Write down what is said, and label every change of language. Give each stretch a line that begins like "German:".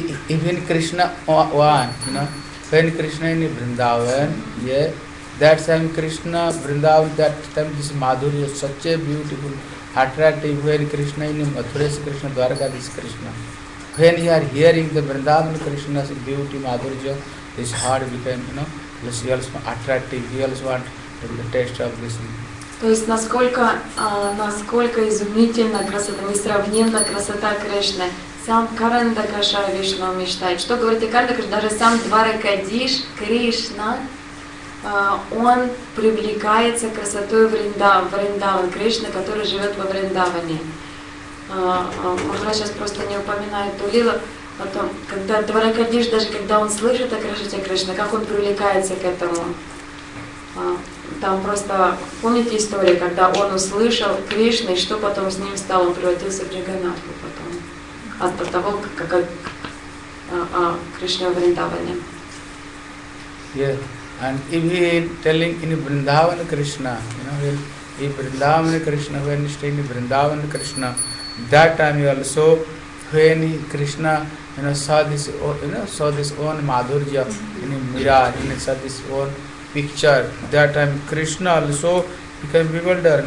English: Even Krishna one, you know, when Krishna in Vrindavan, yeah, that time Krishna Vrindavan, that time this Madhuri is such a beautiful, attractive. When Krishna in Mathura, Krishna Dwarka, this Krishna. When he are hearing the Vrindavan Krishna's beauty, Madhuri, his heart became, you know, this he also attractive. He also want the taste of this.
Russian: То есть насколько изумительна красота, несравненна красота Кришны. Сам Карана Дакаша Вишну мечтает. Что говорит Карана Дакаша? Даже сам Дваракадиш Кришна, он привлекается красотой Вриндаван, Кришна, который живет во Вриндаване. Махарадж сейчас просто не упоминает ту лилу. Потом, когда Дваракадиш, даже когда он слышит о красоте Кришны, как он привлекается к этому? Там просто, помните историю, когда он услышал Кришну, и что потом с ним стало, он превратился в Джаганнатху потом, от того, как Кришна Вриндаване.
English: Yeah, and if he telling in Vrindavan Krishna, you know, when in Vrindavan Krishna, when he stay in Vrindavan Krishna, that time he also, when he Krishna, you know, saw this own Madhurya, in a mirror, he saw this own picture, that time Krishna also became bewildered.